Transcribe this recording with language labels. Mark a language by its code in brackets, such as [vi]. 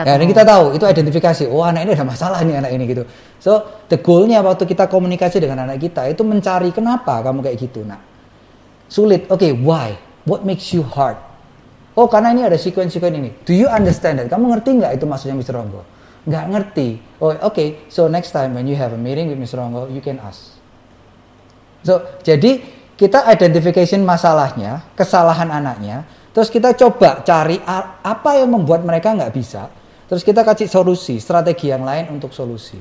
[id] tahu. Dan kita tahu, itu identifikasi. Oh, anak ini ada masalah nih, anak ini, gitu. [en] So, the goal-nya [id] waktu kita komunikasi dengan anak kita itu mencari kenapa kamu kayak gitu, nak. [en] Sulit, why? What makes you hard? [id] Oh, karena ini ada sequence-sequence ini. [en] Do you understand that? [id] Kamu ngerti nggak itu maksudnya Mr. Ronggo? Nggak ngerti. [en] Oh, So, next time when you have a meeting with Mr. Ronggo, you can ask. [id] So, jadi kita identification masalahnya, kesalahan anaknya, terus kita coba cari apa yang membuat mereka nggak bisa, terus kita kasih solusi, strategi yang lain untuk solusi.